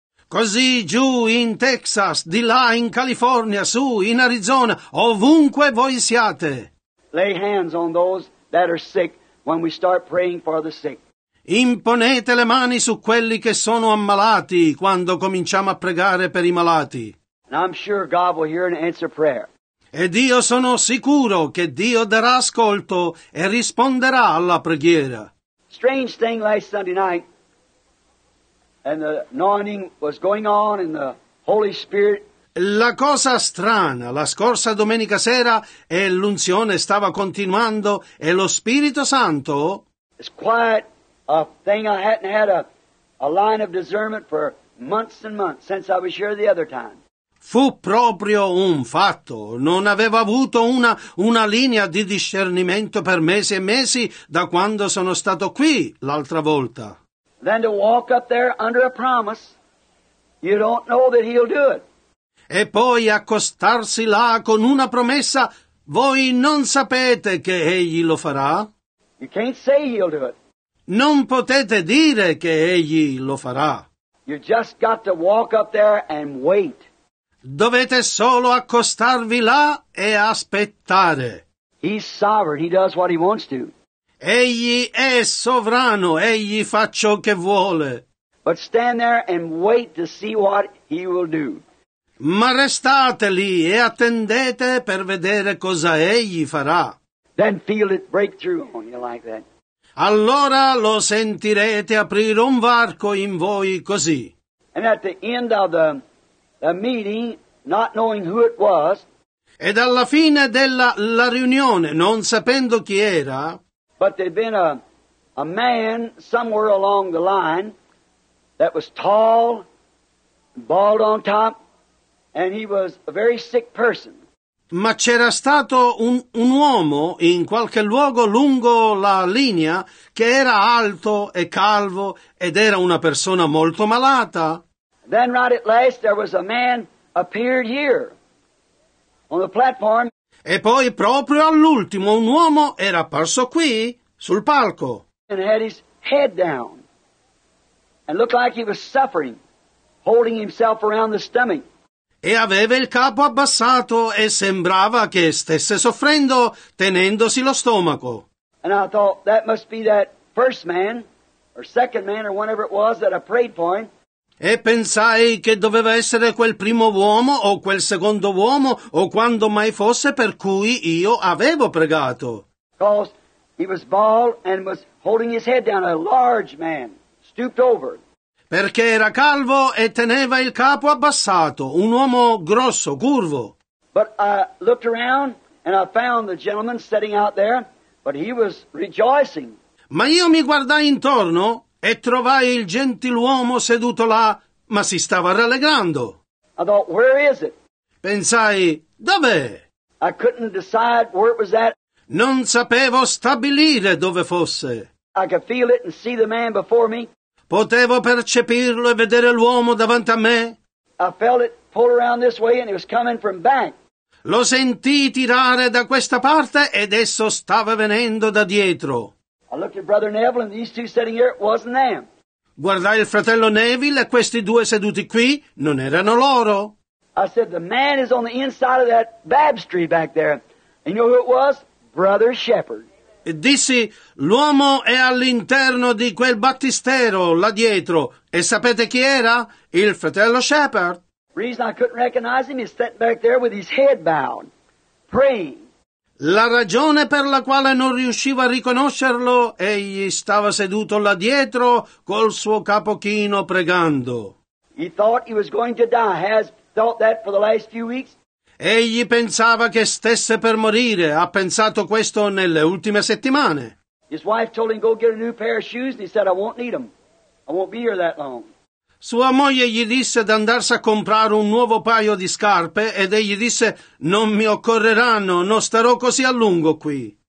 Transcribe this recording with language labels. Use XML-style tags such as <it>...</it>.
<it>Così giù in Texas, di là in California, su in Arizona, ovunque voi siate.</it> <en>Lay hands on those that are sick when we start praying for the sick.</en> <it>Imponete le mani su quelli che sono ammalati quando cominciamo a pregare per i malati.</it> <en>And I'm sure God will hear and answer prayer.</en> <it>Ed io sono sicuro che Dio darà ascolto e risponderà alla preghiera.</it> <en>Strange thing last Sunday night, and the anointing was going on, and the Holy Spirit.</en> <it>La cosa strana, la scorsa domenica sera, e l'unzione stava continuando, e lo Spirito Santo...</it> <en>It's quite a thing. I hadn't had a line of discernment for months and months since I was here the other time.</en> <it>Fu proprio un fatto. Non avevo avuto una linea di discernimento per mesi e mesi da quando sono stato qui l'altra volta.</it> <en>Then to walk up there under a promise, you don't know that he'll do it.</en> <it>E poi accostarsi là con una promessa, voi non sapete che egli lo farà?</it> <en>You can't say he'll do it.</en> <it>Non potete dire che egli lo farà.</it> <en>You just got to walk up there and wait.</en> <it>Dovete solo accostarvi là e aspettare.</it> <en>He's sovereign, he does what he wants to.</en> <it>Egli è sovrano, egli fa ciò che vuole.</it> <en>But stand there and wait to see what he will do.</en> <it>Ma restate lì e attendete per vedere cosa egli farà.</it> <en>Then feel it break through on you like that.</en> <it>Allora lo sentirete aprire un varco in voi così.</it> <en>And at the end of the meeting, not knowing who it was,</en> <it>ed alla fine della la riunione, non sapendo chi era,</it> <en>but there'd been a man somewhere along the line that was tall, bald on top, and he was a very sick person.</en> <it>Ma c'era stato un uomo in qualche luogo lungo la linea che era alto e calvo ed era una persona molto malata.</it> <en>Then right at last there was a man appeared here on the platform.</en> <it>E poi proprio all'ultimo un uomo era apparso qui sul palco.</it> <en>And had his head down and looked like he was suffering, holding himself around the stomach.</en> <it>E aveva il capo abbassato e sembrava che stesse soffrendo tenendosi lo stomaco.</it> <en>And I thought that must be that first man or second man or whatever it was that I prayed for him.</en> <it>E pensai che doveva essere quel primo uomo o quel secondo uomo o quando mai fosse per cui io avevo pregato.</it> <en>Because he was bald and was holding his head down, a large man, stooped over.</en> <it>Perché era calvo e teneva il capo abbassato, un uomo grosso, curvo.</it> <en>But I looked around and I found the gentleman sitting out there, but he was rejoicing.</en> <it>Ma io mi guardai intorno e trovai il gentiluomo seduto là, ma si stava rallegrando.</it> <en>I thought, where is it?</en> <it>Pensai, dov'è?</it> <en>I couldn't decide where it was at.</en> <it>Non sapevo stabilire dove fosse.</it> <en>I could feel it and see the man before me.</en> <it>Potevo percepirlo e vedere l'uomo davanti a me.</it> <en>I felt it pull around this way and it was coming from back.</en> <it>Lo sentii tirare da questa parte ed esso stava venendo da dietro.</it> <en>I looked at Brother Neville and these two sitting here, it wasn't them.</en> <it>Guardai il fratello Neville e questi due seduti qui non erano loro.</it> <en>I said, the man is on the inside of that baptistry back there. And you know who it was? Brother Shepherd.</en> <it>E dissi, l'uomo è all'interno di quel battistero là dietro. E sapete chi era? Il fratello Shepherd.</it> <en>The reason I couldn't recognize him is sitting back there with his head bowed, praying.</en> <it>La ragione per la quale non riuscivo a riconoscerlo, egli stava seduto là dietro col suo capo chino pregando.</it> <en>He thought he was going to die, has thought that for the last few weeks.</en> <it>Egli pensava che stesse per morire, ha pensato questo nelle ultime settimane.</it> <en>His wife told him go get a new pair of shoes and he said I won't need them. I won't be here that long.</en> <it>Sua moglie gli disse d'andarsi a comprare un nuovo paio di scarpe ed egli disse non mi occorreranno, non starò così a lungo qui.</it>